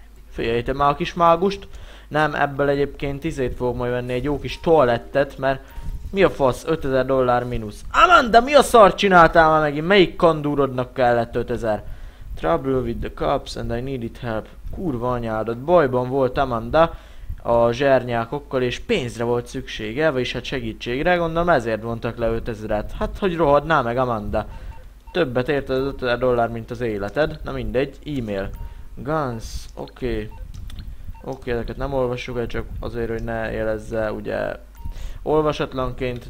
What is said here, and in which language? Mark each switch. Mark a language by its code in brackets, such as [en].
[hu] Figyeljétek már a kis mágust. Nem, ebből egyébként izét fogok majd venni, egy jó kis toalettet, mert mi a fasz, 5000 dollár mínusz. Aman, de mi a szar csináltál már megint? Melyik kandúrodnak kellett 5000? [en] Trouble with the cops and I needed help. [hu] Kurva anyádat, bajban volt Amanda a zsernyákokkal, és pénzre volt szüksége, vagyis hát segítségre, gondolom ezért vontak le 5000-et. Hát, hogy rohadná meg Amanda. Többet ért az 5000 dollár, mint az életed. Na mindegy, e-mail. Guns, oké, ezeket nem olvassuk el, csak azért, hogy ne jelezze, ugye, olvasatlanként.